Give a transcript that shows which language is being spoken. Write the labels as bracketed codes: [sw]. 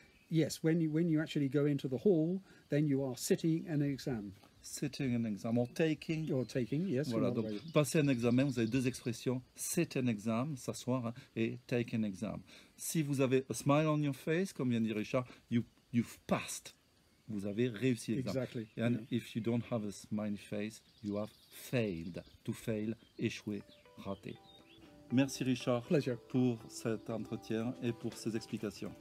[en] Yes, when you actually go into the hall, then you are sitting an exam. Sitting an exam, or taking. Or taking, yes. [fr] Voilà, donc way. Passer un examen, vous avez deux expressions, [en] sit an exam, [fr] s'asseoir, hein, et [en] take an exam. [fr] Si vous avez [en] a smile on your face, [fr] comme vient de dire Richard, [en] you've passed, [fr] vous avez réussi l'examen. [en] Exactly. And yeah. If you don't have a smiley face, you have failed, to fail, [fr] échouer, rater. Merci Richard [en] Pleasure. [fr] Pour cet entretien et pour ces explications.